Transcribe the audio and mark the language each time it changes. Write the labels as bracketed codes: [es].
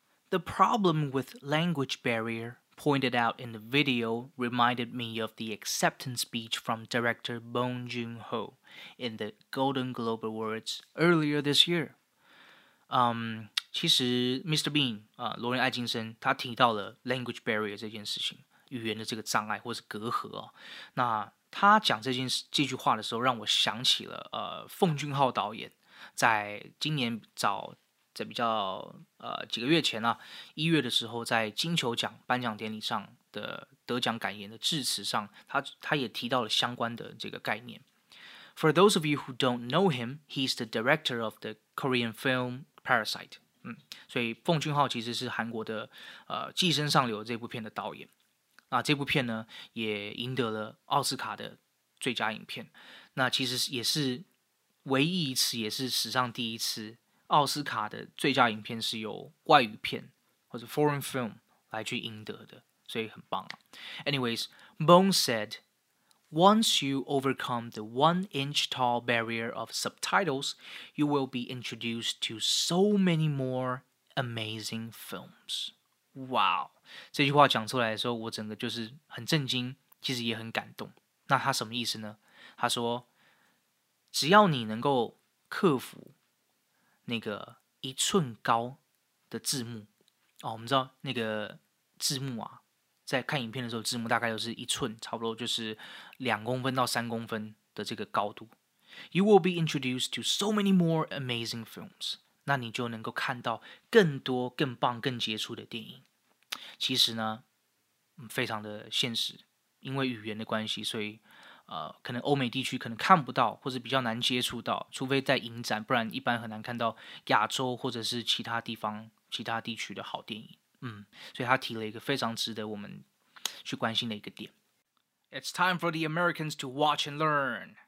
[en] The problem with language barrier pointed out in the video reminded me of the acceptance speech from director Bong Joon-ho. In the Golden Globe Awards earlier this year. [zh] 其实 Mr. Bean, 罗恩·艾金森他提到了 language barrier 这件事情，语言的这个障碍或是隔阂、哦、那他讲这句话的时候让我想起了奉俊昊导演在今年早在比较几个月前啊一月的时候在金球奖颁奖典礼上的得奖感言的致辞上 他也提到了相关的这个概念。 [en] For those of you who don't know him, he's the director of the Korean film Parasite. [zh] 所以奉俊昊其实是韩国的《寄生上流》这部片的导演。那这部片呢，也赢得了奥斯卡的最佳影片。那其实也是唯一一次，也是史上第一次，奥斯卡的最佳影片是由外语片或者 foreign film 来去赢得的，所以很棒啊。 [en] Anyways, Bong said,Once you overcome the one-inch-tall barrier of subtitles, you will be introduced to so many more amazing films. Wow! [zh] 这句话讲出来的时候，我整个就是很震惊，其实也很感动。那他什么意思呢？他说，只要你能够克服那个一寸高的字幕，哦，我们知道那个字幕啊，在看影片的时候字幕大概就是一寸差不多就是2公分到3公分的这个高度 [en] You will be introduced to so many more amazing films. [zh] 那你就能够看到更多更棒更杰出的电影。其实呢，非常的现实，因为语言的关系，所以可能欧美地区可能看不到或是比较难接触到，除非在影展，不然一般很难看到亚洲或者是其他地方其他地区的好电影。所以他提了一个非常值得我们去关心的一个点。 [en] It's time for the Americans to watch and learn.